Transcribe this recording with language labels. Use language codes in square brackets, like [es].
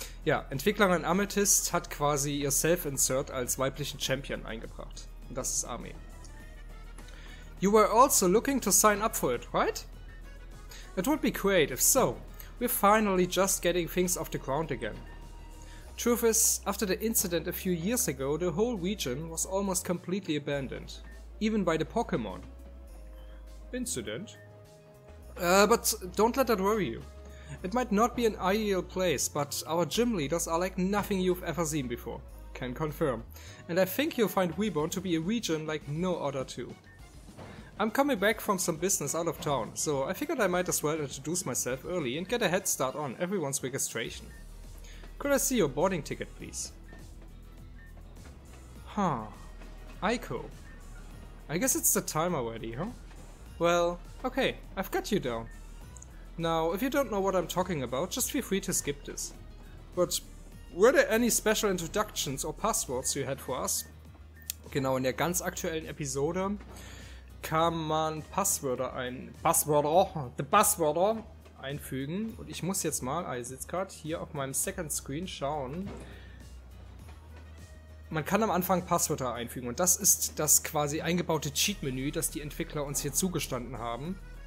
[de] Ja, Entwicklerin Amethyst hat quasi ihr Self-Insert als weiblichen Champion eingebracht. Das ist Ame. [en] You were also looking to sign up for it, right? It would be great if so. We're finally just getting things off the ground again. Truth is, after the incident a few years ago, the whole region was almost completely abandoned. Even by the Pokémon. Incident? But don't let that worry you. It might not be an ideal place, but our gym leaders are like nothing you've ever seen before. Can confirm. And I think you'll find Reborn to be a region like no other too. I'm coming back from some business out of town, so I figured I might as well introduce myself early and get a head start on everyone's registration. Could I see your boarding ticket, please? Huh. Aiko. I guess it's the time already, huh? Well, okay, I've got you down. Now, if you don't know what I'm talking about, just feel free to skip this. But were there any special introductions or passwords you had for us? [de] Genau, in der ganz aktuellen Episode kann man Passwörter einfügen. Und ich muss jetzt mal, ich sitze gerade hier auf meinem Second Screen schauen. Man kann am Anfang Passwörter einfügen und das ist das quasi eingebaute Cheat-Menü, das die Entwickler uns hier zugestanden haben.